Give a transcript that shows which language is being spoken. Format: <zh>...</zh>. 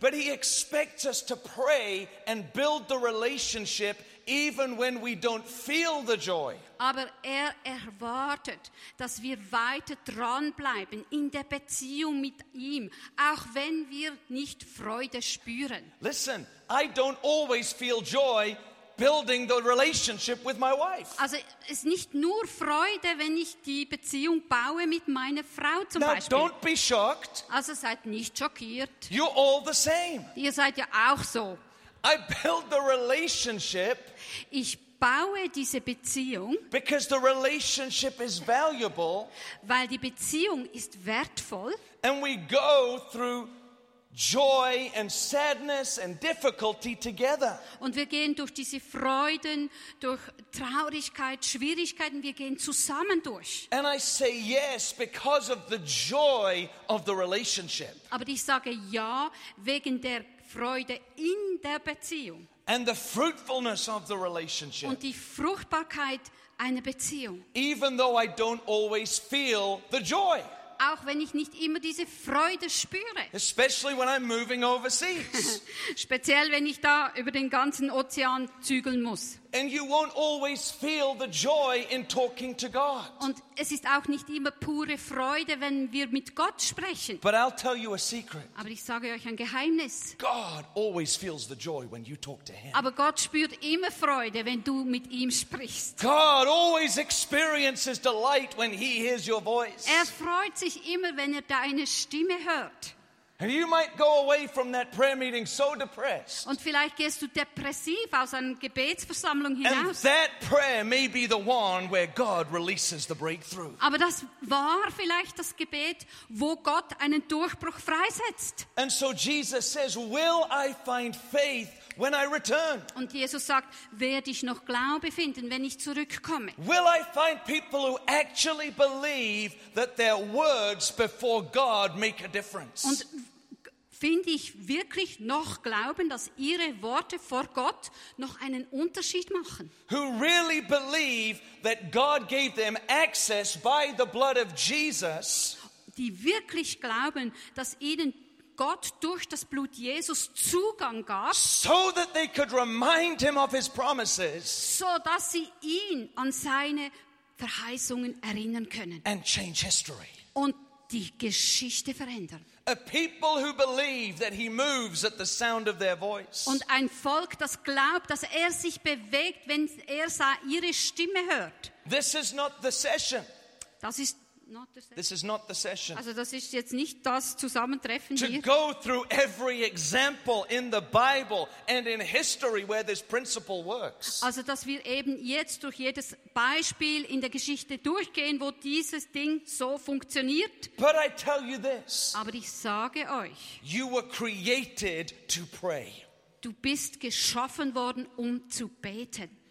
<en>But he expects us to pray and build the relationship even when we don't feel the joy.</en> <de>Aber er erwartet, dass wir weiter dranbleiben in der Beziehung mit ihm, auch wenn wir nicht Freude spüren.</de> <en>Listen, I don't always feel joy building the relationship with my wife.</en> <de>Also es ist nicht nur Freude, wenn ich die Beziehung baue mit meiner Frau zum</de> <en>Now,</en> <de>Beispiel.</de> <en>Don't be shocked.</en> <de>Also seid nicht schockiert.</de> <en>You're all the same.</en> <de>Ihr seid ja auch so.</de> <en>I build the relationship.</en> <de>Ich baue diese Beziehung.</de> <en>Because the relationship is valuable.</en> <de>Weil die Beziehung ist wertvoll.</de> <en>And we go through joy and sadness and difficulty together.</en> <de>Und wir gehen durch diese Freuden, durch Traurigkeit, Schwierigkeiten, wir gehen zusammen durch.</de> <en>And I say yes because of the joy of the relationship.</en> <de>Aber ich sage ja wegen der Freude in der Beziehung.</de> <en>And the fruitfulness of the relationship.</en> <de>Und die Fruchtbarkeit einer Beziehung.</de> <en>Even though I don't always feel the joy.</en> <de>Auch wenn ich nicht immer diese Freude spüre.</de> <en>Especially when I'm moving overseas.</en> <de>Speziell wenn ich da über den ganzen Ozean zügeln muss.</de> <en>And you won't always feel the joy in talking to God.</en> <de>Und es ist auch nicht immer pure Freude, wenn wir mit Gott sprechen.</de> <en>But I'll tell you a secret.</en> <de>Aber ich sage euch ein Geheimnis.</de> <en>God always feels the joy when you talk to him.</en> <de>Aber Gott spürt immer Freude, wenn du mit ihm sprichst.</de> <en>God always experiences delight when he hears your voice.</en> <de>Er freut sich immer, wenn er deine Stimme hört.</de> <en>And you might go away from that prayer meeting so depressed.</en> <de>Und vielleicht gehst du depressiv aus einer Gebetsversammlung hinaus.</de> <en>And that prayer may be the one where God releases the breakthrough.</en> <de>Aber das war vielleicht das Gebet, wo Gott einen Durchbruch freisetzt.</de> <en>And so Jesus says, "Will I find faith when I return?"</en> <de>Und Jesus sagt, werde ich noch Glaube finden, wenn ich zurückkomme?</de> <en>Will I find people who actually believe that their words before God make a difference?</en> <de>Und finde ich wirklich noch Glauben, dass ihre Worte vor Gott noch einen Unterschied machen?</de> <en>Who really believe that God gave them access by the blood of Jesus?</en> <de>Die wirklich glauben, dass ihnen Gott durch das Blut Jesus Zugang gab,</de> <en>so that they could remind him of his promises,</en> <de>so dass sie ihn an seine Verheißungen erinnern können,</de> <en>and change history,</en> <de>und die Geschichte verändern.</de> <en>A people who believe that he moves at the sound of their voice,</en> <de>und ein Volk, das glaubt, dass er sich bewegt, wenn er ihre Stimme hört.</de> <en>This is not the session.</en> <de>Das ist</de> <en>This is not the session.</en> <de>Also das ist jetzt nicht das Zusammentreffen</de> <en>to</en> <de>hier.</de> <en>Go through every example in the Bible and in history where this principle works.</en> <de>Also dass wir eben jetzt durch jedes Beispiel in der Geschichte durchgehen, wo dieses Ding so funktioniert.</de> <en>But I tell you this.</en> <de>Aber ich sage euch.</de> <en>You were created to pray.</en> <de>Du bist geschaffen worden, um zu beten.</de>